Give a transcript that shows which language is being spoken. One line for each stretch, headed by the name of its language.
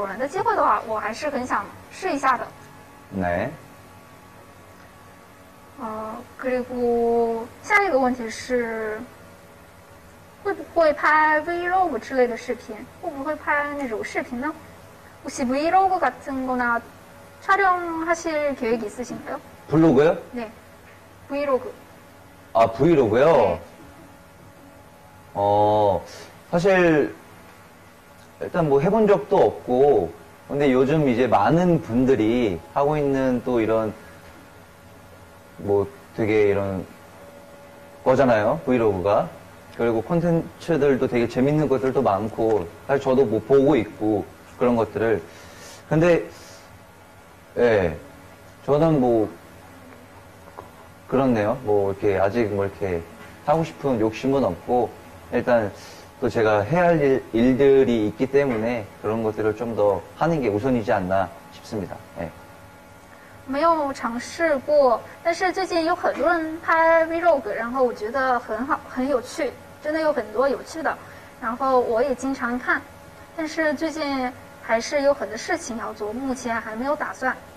Chinese: 对，我之前说过想去蹦极，但是我不想自己开车，然后自己去买票，然后自己去蹦极。我只是说，如果有机会，如果有偶然的机会的话，我还是很想试一下的。
Korean: 네. 그리고
Chinese: 下一个问题是，会不会拍 vlog 之类的视频？会不会拍那种视频呢？
Korean: 혹시 vlog 같은거나 촬영하실 계획 있으신가요? 블로그요? 네. 브이로그. 아, 브이로그요? 네. 사실 일단 뭐 해본 적도 없고 근데 요즘 이제 많은 분들이 하고 있는 또 이런 뭐 되게 이런 거잖아요, 브이로그가. 그리고 콘텐츠들도 되게 재밌는 것들도 많고 사실 저도 뭐 보고 있고 그런 것들을. 근데 예, 저는 뭐 그렇네요. 뭐 이렇게 아직 뭐 이렇게 하고 싶은 욕심은 없고 일단 또 제가 해야 할 일들이 있기 때문에 그런 것들을 좀 더 하는 게 우선이지 않나 싶습니다. 예.
Chinese: 没有尝试过，但是最近有很多人拍 vlog， 然后我觉得很好，很有趣，真的有很多有趣的。然后我也经常看，但是最近还是有很多事情要做，目前还没有打算。